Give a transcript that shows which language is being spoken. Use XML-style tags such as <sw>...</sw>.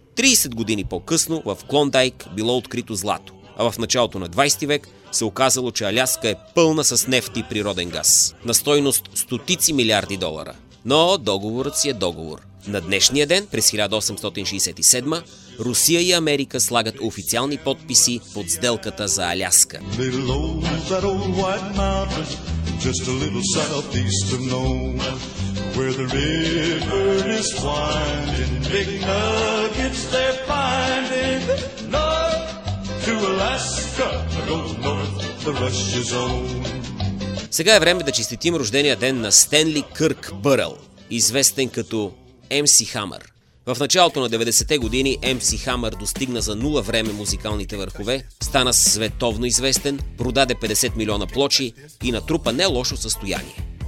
<bg>30 години по-късно в Клондайк било открито злато, а в началото на 20 век се оказало, че Аляска е пълна с нефт и природен газ. На стойност стотици милиарди долара. Но договорът си е договор. На днешния ден, през 1867, Русия и Америка слагат официални подписи под сделката за Аляска.</bg> <en>Just a little southeast of Nome, where the river is winding, big nuggets they're finding. North to Alaska, I go north, the rush is on.</en> <bg>Сега е време да честитим рождения ден на Стенли Кърк Бърл, известен като MC Hammer. В началото на 90-те години MC Hammer достигна за нула време музикалните върхове, стана световно известен, продаде 50 милиона плочи и натрупа не лошо състояние.</bg>